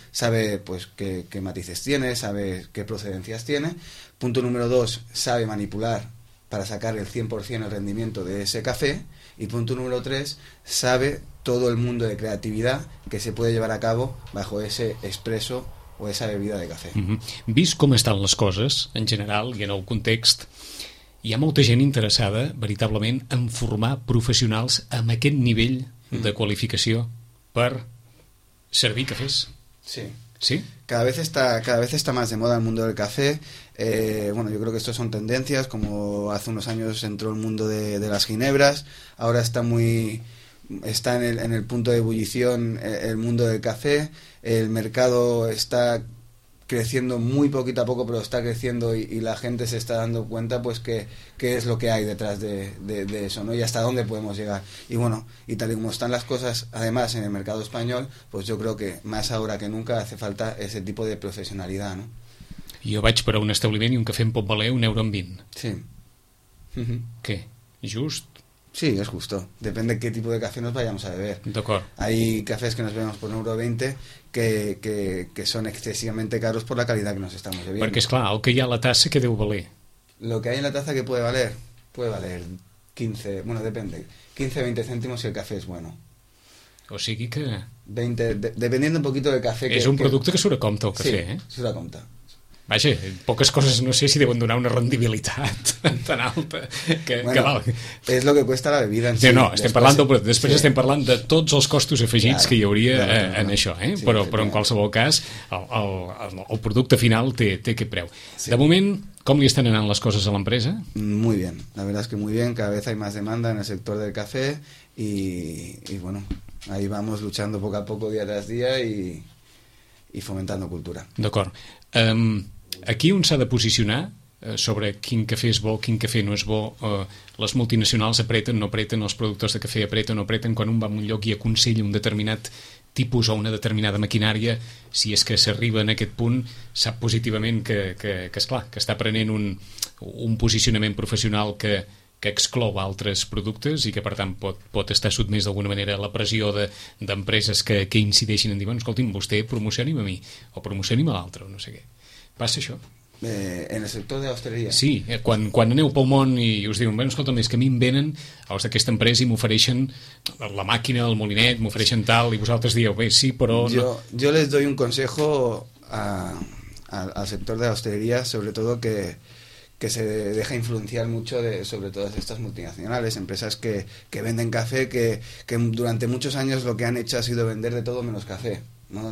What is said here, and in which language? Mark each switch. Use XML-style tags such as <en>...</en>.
<es>Sabe, pues, qué matices tiene, sabe qué procedencias tiene. Punto número dos, sabe manipular para sacar el 100% el rendimiento de ese café. Y punto número tres, sabe todo el mundo de creatividad que se puede llevar a cabo bajo ese expreso o esa bebida de café. Mm-hmm.</es> <ca>Vist com estan les coses en general i en el context, hi ha molta gent interessada veritablement en formar professionals amb aquest nivell de qualificació per servir cafès. Sí. Sí.</ca> <es>Cada vez está más de moda el mundo del café. Bueno, yo creo que esto son tendencias, como hace unos años entró el mundo de las ginebras, ahora está en el punto de ebullición el mundo del café. El mercado está creciendo muy poquito a poco, pero está creciendo y la gente se está dando cuenta, pues, qué es lo que hay detrás de eso, ¿no? Y hasta dónde podemos llegar. Y bueno, y tal y como están las cosas, además, en el mercado español, pues yo creo que más ahora que nunca hace falta ese tipo de profesionalidad, ¿no?</es> <ca>Jo vaig per a un establiment i un café em pot valer 1,20 €. Sí. ¿Qué? ¿Just?</ca> <es>Sí, es justo. Depende de qué tipo de café nos vayamos a beber.</es> <ca>D'acord.</ca> <es>Hay cafés que nos bebemos por 1,20 € que son excesivamente caros por la calidad que nos estamos bebiendo.</es> <ca>Porque, esclar, el que hi ha a la tassa, ¿qué deu valer?</ca> <es>Lo que hay en la taza, ¿qué puede valer? Puede valer 15, bueno, depende, 15-20 céntimos si el café es bueno.</es> <ca>O sigui que...</ca> <es>20, dependiendo un poquito del café...</es> <ca>És un producte que surt a compte, el café, sí, eh? Sí, surt a compte. Vaja, poques coses no sé si deuen donar una rendibilitat tan alta que, bueno, que val. És el que costa la bebida en si. Sí, no, estem parlant de tots els costos afegits, claro, que hi hauria, claro, en, claro, això, eh? Sí, però en qualsevol cas, el producte final té aquest preu. Sí. De moment, com li estan anant les coses a l'empresa?</ca> <es>Muy bien, la verdad es que muy bien, cada vez hay más demanda en el sector del café y bueno, ahí vamos luchando poco a poco, día tras día y fomentando cultura.</es> <ca>D'acord. Aquí on s'ha de posicionar sobre quin cafè és bo, quin cafè no és bo, les multinacionals apreten, no apreten, els productors de cafè apreten, no apreten, quan un va a un lloc i aconsella un determinat tipus o una determinada maquinària, si és que s'arriba en aquest punt, sap positivament que esclar, que està prenent un posicionament professional que exclou altres productes i que per tant pot estar sotmès d'alguna manera a la pressió d'empreses que incideixin en dir, bueno, escolti, vostè promocioni'm a mi o promocioni'm a l'altre, no sé què. Passa això? En el sector de l'hostaleria? Sí, quan aneu pel món i us diuen, bueno, escolta'm, és que a mi em venen els d'aquesta empresa i m'ofereixen la màquina, el molinet, m'ofereixen tal, i vosaltres dieu, bé, sí, però... Jo no.</ca> <es>Les doy un consejo al sector de</es> <ca>l'hostaleria, sobretot</ca> <es>que se deja influenciar mucho de, sobre todas estas multinacionales, empresas que venden café, que durante muchos años lo que han hecho ha sido vender de todo menos café, ¿no?</es>